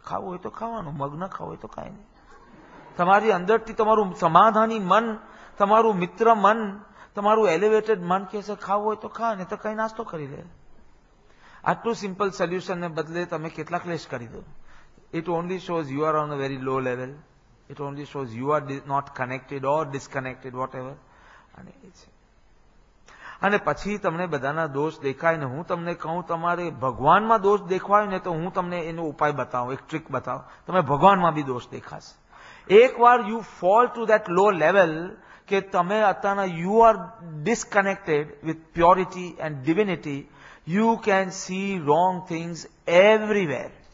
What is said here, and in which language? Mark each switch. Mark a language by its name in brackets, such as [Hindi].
[Gujarati] ખાવું હોય તો ખાવાનું, મગ ના ખાવું હોય તો કાંઈ નહીં. તમારી અંદરથી તમારું સમાધાની મન, તમારું મિત્ર મન, તમારું એલિવેટેડ મન કહેશે ખાવું હોય તો ખા, નહીં તો કઈ નાસ્તો કરી લે. આટલું સિમ્પલ સોલ્યુશન ને બદલે તમે કેટલા ક્લેશ કરી દો. [English] It only shows you are on a very low level. It only shows you are not connected or disconnected, whatever. [Gujarati] અને એ છે. અને પછી તમને બધાના દોષ દેખાય ને, હું તમને કહું તમારે ભગવાનમાં દોષ દેખવાય ને તો હું તમને એનો ઉપાય બતાવું, એક ટ્રીક બતાવું, તમે ભગવાનમાં બી દોષ દેખાશે. [English] એક વાર you fall to that low level કે તમે અત્યારના you are disconnected with purity and divinity, you can see wrong things everywhere.